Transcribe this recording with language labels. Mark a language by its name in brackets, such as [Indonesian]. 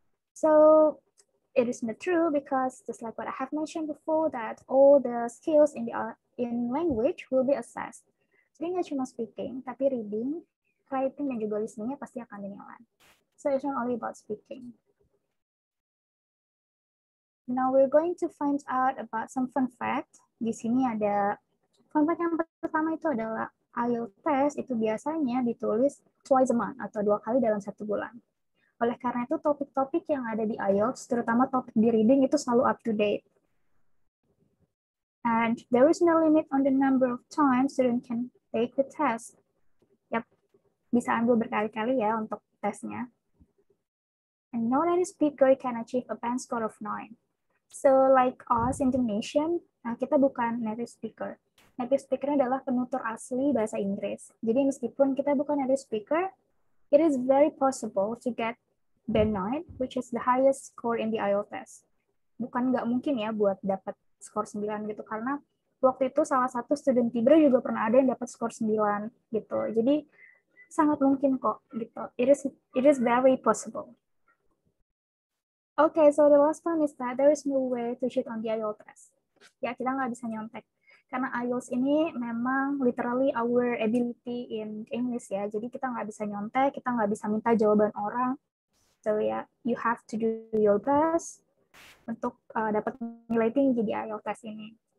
[English] So it is not true because just like what I have mentioned before that all the skills in language will be assessed. [Indonesian] Jadi nggak cuma speaking, tapi reading, writing, dan juga listening-nya pasti akan dinilai. [English] So it's not only about speaking. Now we're going to find out about some fun fact. [Indonesian] Di sini ada fun fact yang pertama itu adalah IELTS test itu biasanya ditulis [English] twice a month [Indonesian] atau dua kali dalam satu bulan. Oleh karena itu, topik-topik yang ada di IELTS, terutama topik di reading, itu selalu up to date. [English] And there is no limit on the number of times student can take the test. [Indonesian] Yap, bisa ambil berkali-kali ya untuk tesnya. [English] And no native speaker can achieve a PAN score of 9. So, like us Indonesian, [Indonesian] nah, kita bukan native speaker. Native speaker adalah penutur asli bahasa Inggris. Jadi, meskipun kita bukan native speaker, [English] it is very possible to get B9, which is the highest score in the IELTS test. [Indonesian] Bukan nggak mungkin ya buat dapat skor 9 gitu, karena waktu itu salah satu student Tibra juga pernah ada yang dapat skor 9 gitu. Jadi, sangat mungkin kok gitu. [English] It is very possible. Okay, so the last one is that there is no way to cheat on the IELTS test. [Indonesian] Ya, kita nggak bisa nyontek. Karena IELTS ini memang literally [English] our ability in English [Indonesian] ya. Jadi, kita nggak bisa nyontek, kita nggak bisa minta jawaban orang. [English] So, yeah, you have to do your best [Indonesian] untuk dapat nilai tinggi di IELTS test ini.